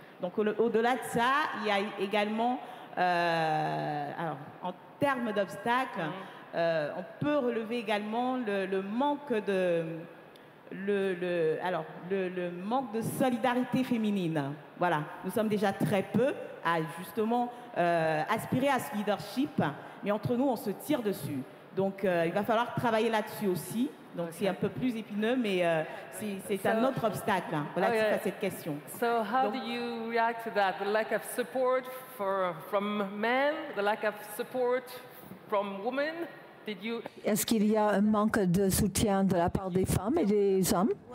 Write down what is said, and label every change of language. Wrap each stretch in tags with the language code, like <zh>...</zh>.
<fr>Donc, au-delà de ça, il y a également, en termes d'obstacles, on peut relever également le manque de solidarité féminine. Voilà, nous sommes déjà très peu à justement aspirer à ce leadership, mais entre nous, on se tire dessus. Donc, il va falloir travailler là-dessus aussi. Donc, okay. C'est un peu plus épineux, mais c'est un autre obstacle relatif à cette question.</fr> <en>So, how do you react to that? The lack of support from men, the lack of support from women?</en> <fr>Est-ce qu'il y a un manque de soutien de la part des femmes et des hommes?</fr>